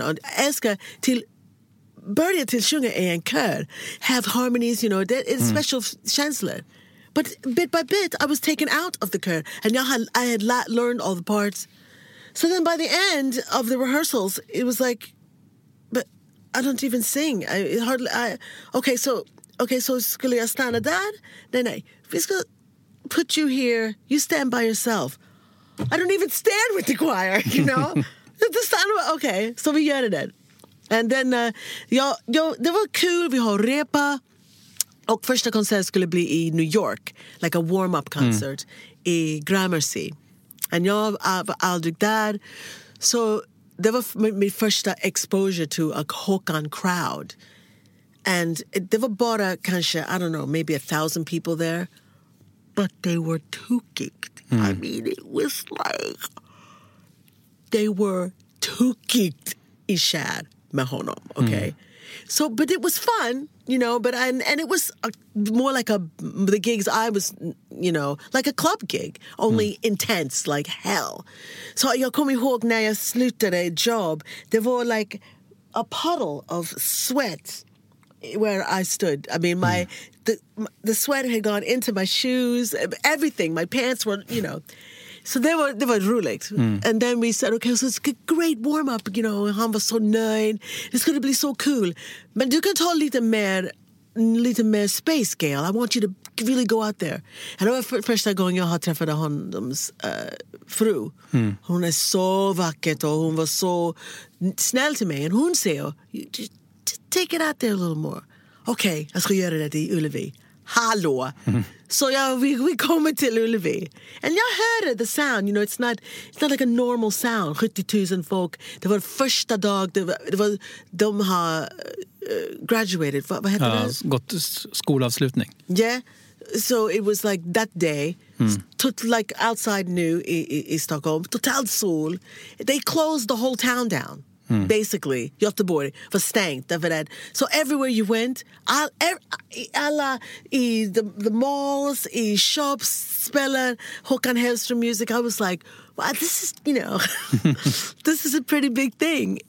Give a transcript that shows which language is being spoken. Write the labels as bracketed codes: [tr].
[sv] Och älskar till börja till sjunga I en kör. [en] Have harmonies, you know. [sv] Det är special känsla. [en] But bit by bit, I was taken out of the kör. And I had learned all the parts. So then by the end of the rehearsals, it was like, but I don't even sing. [sv] Okay, so skulle jag stanna där? Nej. Vi ska [en] put you here. You stand by yourself. I don't even stand with the choir, you know. The sound of, okay, so we get it. [sv] And then, det var kul. Vi har repa. Och första konsert skulle bli I New York. [en] Like a warm-up concert. [sv] I Gramercy. And jag var aldrig där. So, det var min första [en] exposure to a Håkan crowd. And [sv] det var bara kanske, [en] I don't know, maybe 1,000 people there. But they were too geeked. I mean, it was like they were too geeked I kär med honom, okay? So, but it was fun, you know. But and it was more like the gigs I was, you know, like a club gig, only intense, like hell. [sv] So jag kommer ihåg när jag slutade jobb, det var [en] like a puddle of sweat where I stood. I mean, the sweat had gone into my shoes, everything. My pants were, you know. So they were roulette. And then we said, okay, so it's a great warm-up, you know. [sv] Han var så nöjd. [en] It's going to be so cool. [sv] Men du kan ta lite mer space, Gail. [en] I want you to really go out there. [sv] And det var första gången jag har träffat honoms fru. Hon är så vackert och hon var så snäll till mig. And hon säger, [en] just take it out there a little more. [sv] Okej, jag ska göra det I Ullevi. Hallå! Så ja, vi kommer till Ullevi. [en] And [sv] jag hörde [en] the sound, you know, it's not like a normal sound. 70,000 folk. [sv] Det var första dag, de har graduated. Vad heter det? Gått skolavslutning. [en] Yeah, so it was like that day. Like outside nu I Stockholm. [sv] Totalt sol. [en] They closed the whole town down. [sv] Basically, Göteborg var stängt därför att så [en] everywhere you went, [sv] alla I the malls, I shops, spelar Håkan Hellström music. [en] I was like, wow, this is, you know, this is a pretty big thing.